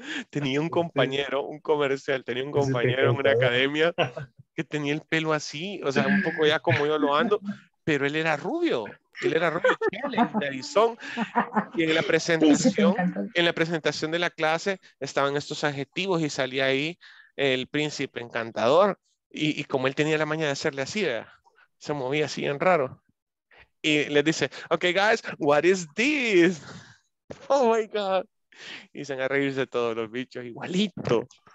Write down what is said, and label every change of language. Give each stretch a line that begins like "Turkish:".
Spanish: Tenía un compañero, un comercial, tenía un compañero en una academia que tenía el pelo así, o sea, un poco ya como yo lo ando, pero él era rubio. Él era Robert Chile, de Arizón. Y en la presentación, de la clase estaban estos adjetivos y salía ahí el príncipe encantador. Y como él tenía la maña de hacerle así, ¿verdad? Se movía así en raro. Y les dice,
English: okay guys, what is this? Oh my God.
Spanish: Y se van a reírse todos los bichos igualito.